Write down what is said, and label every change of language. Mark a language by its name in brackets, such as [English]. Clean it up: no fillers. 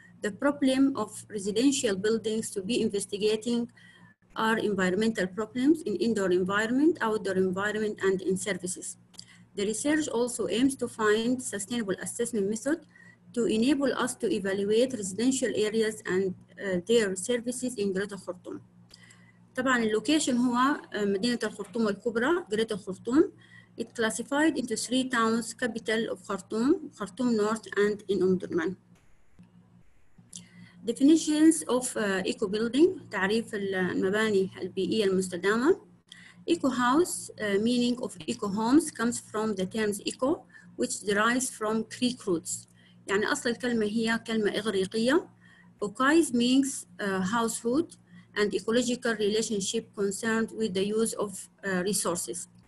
[English] The problem of residential buildings to be investigating are environmental problems in indoor environment, outdoor environment, and in services. The research also aims to find sustainable assessment method to enable us to evaluate residential areas and their services in Greater Khartoum. [Arabic] طبعا اللوكيشن هو مدينة الخرطوم الكبرى، Greater Khartoum. [English] It classified into three towns, capital of Khartoum, Khartoum North, and in Omdurman. Definitions of eco building. [Arabic] تعريف المباني البيئية المستدامة. [English] Eco house, meaning of eco homes, comes from the terms eco, which derives from Greek roots. [Arabic] يعني أصل الكلمة هي كلمة إغريقية. [English] Okais means household, and ecological relationship concerned with the use of resources.